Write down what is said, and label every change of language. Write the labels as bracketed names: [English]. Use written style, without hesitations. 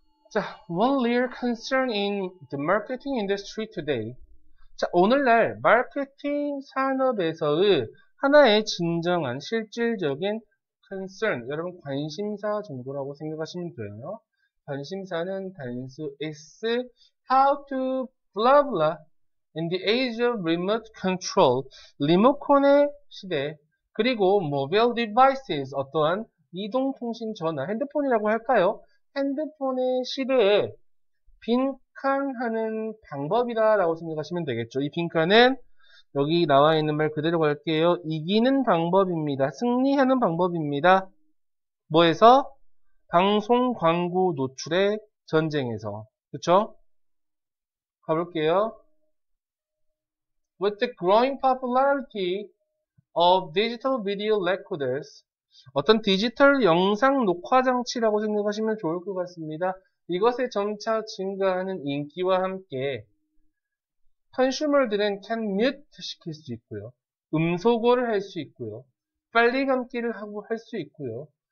[English] 자, one real concern in the marketing industry today. [Korean] 자, 오늘날 마케팅 산업에서의 하나의 진정한 실질적인 concern, 여러분 관심사 정도라고 생각하시면 돼요. 관심사는 단수 s, [English] how to blah blah in the age of remote control, [Korean] 리모컨의 시대, 그리고 [English] mobile devices, [Korean] 어떠한 이동통신 전화, 핸드폰이라고 할까요? 핸드폰의 시대에 빈칸하는 방법이다라고 생각하시면 되겠죠. 이 빈칸은 여기 나와 있는 말 그대로 갈게요. 이기는 방법입니다. 승리하는 방법입니다. 뭐에서? 방송 광고 노출의 전쟁에서. 그쵸? 가볼게요. [English] With the growing popularity of digital video recorders. [Korean] 어떤 디지털 영상 녹화 장치라고 생각하시면 좋을 것 같습니다. 이것의 점차 증가하는 인기와 함께, 컨슈머들은 [English] can mute [Korean] 시킬 수 있고요. 음소거를 할수 있고요. 빨리감기를 하고 할수 있고요.